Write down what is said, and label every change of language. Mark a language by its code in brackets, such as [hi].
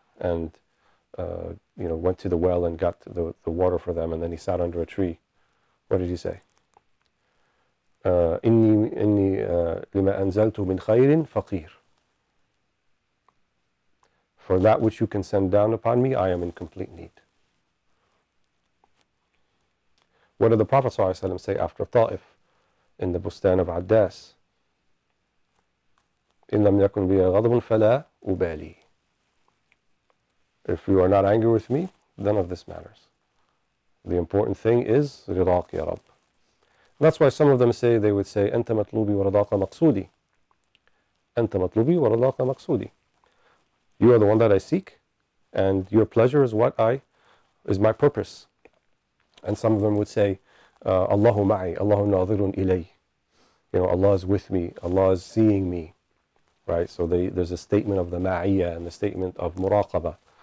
[en] And went to the well and got the water for them, and then he sat under a tree. What did he say? [ar] إني لما أنزلت من خير فقير. [en] For that which you can send down upon me, I am in complete need. What did the Prophet ﷺ say after Ta'if in the Bustan of Addas? [ar] إن لم يكن بي غضب فلا أبالي. [en] If you are not angry with me, none of this matters. The important thing is ridaq ya Rabb. That's why some of them say, they would say, [ar] أنت مطلوبي ورضاك مقصودي. أنت مطلوبي ورضاك مقصودي. [en] You are the one that I seek, and your pleasure is what is my purpose. And some of them would say, Allahu ma'i, Allahu nadhirun ilay. You know, Allah is with me, Allah is seeing me. Right? So there's a statement of the ma'iyya and the statement of muraqaba.